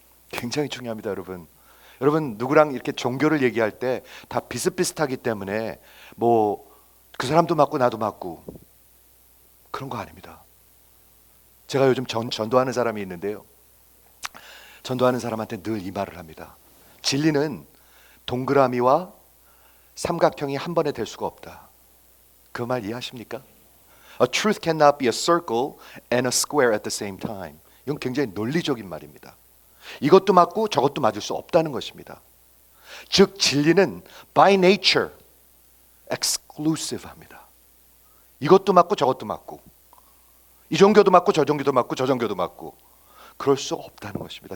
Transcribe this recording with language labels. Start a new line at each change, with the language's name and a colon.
Korean: 굉장히 중요합니다, 여러분. 여러분 누구랑 이렇게 종교를 얘기할 때 다 비슷비슷하기 때문에 뭐 그 사람도 맞고 나도 맞고 그런 거 아닙니다. 제가 요즘 전도하는 사람이 있는데요. 전도하는 사람한테 늘 이 말을 합니다. 진리는 동그라미와 삼각형이 한 번에 될 수가 없다. 그 말 이해하십니까?
English: A truth cannot be a circle and a square at the same time.
Korean: 이건 굉장히 논리적인 말입니다. 이것도 맞고 저것도 맞을 수 없다는 것입니다. 즉 진리는
English: by nature exclusive
Korean: 합니다. 이것도 맞고 저것도 맞고 이 종교도 맞고 저 종교도 맞고 저 종교도 맞고 그럴 수 없다는 것입니다.